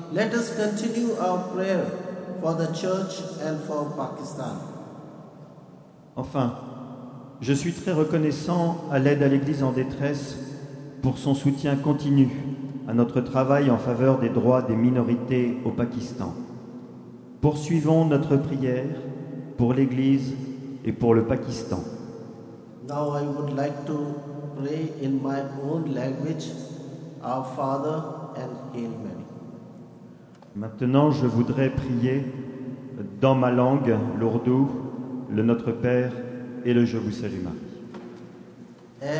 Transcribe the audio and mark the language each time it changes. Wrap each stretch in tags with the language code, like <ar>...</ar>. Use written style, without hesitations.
<en>Let us continue our prayer for the Church and for Pakistan.</en> <fr>Enfin, Je suis très reconnaissant à l'aide à l'Église en détresse pour son soutien continu à notre travail en faveur des droits des minorités au Pakistan. Poursuivons notre prière pour l'Église et pour le Pakistan.</fr> <en>Now I would like to pray in my own language, Our Father and Hail Mary.</en> <fr>Maintenant, je voudrais prier dans ma langue, l'ourdou, le Notre Père et le Je vous salue Marie.</fr>